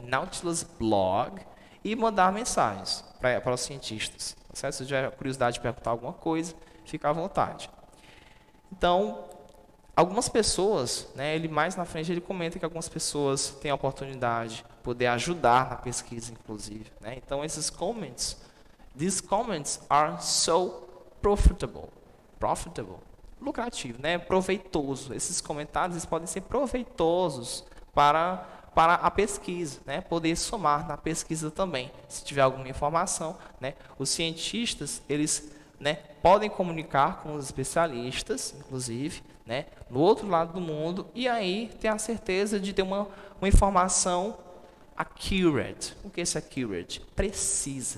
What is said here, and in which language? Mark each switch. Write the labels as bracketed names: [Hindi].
[Portuguese] Nautilus Blog. E mandar mensagens para os cientistas. Se você tiver curiosidade de perguntar alguma coisa, fica à vontade. Então, algumas pessoas, né, ele mais na frente, ele comenta que algumas pessoas têm a oportunidade de poder ajudar na pesquisa, inclusive. Né? Então, esses comments, [English] these comments are so profitable. [Portuguese] Profitable. Lucrativo, né? Proveitoso. Esses comentários, eles podem ser proveitosos para a pesquisa, né? Poder somar na pesquisa também. Se tiver alguma informação, né, os cientistas, eles, né, podem comunicar com os especialistas, inclusive, né, no outro lado do mundo, e aí ter a certeza de ter uma informação accurate. O que é isso, accurate? Precisa.